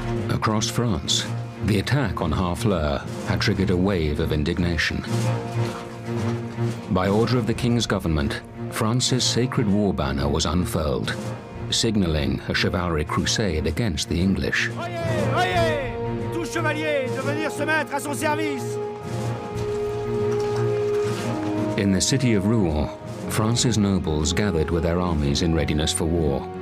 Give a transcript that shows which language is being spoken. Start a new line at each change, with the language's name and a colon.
English: Across France, the attack on Harfleur had triggered a wave of indignation. By order of the king's government, France's sacred war banner was unfurled, signaling a chivalric crusade against the English.
French: Oyez, oyez, tout chevalier de venir se mettre à son service.
English: In the city of Rouen, France's nobles gathered with their armies in readiness for war.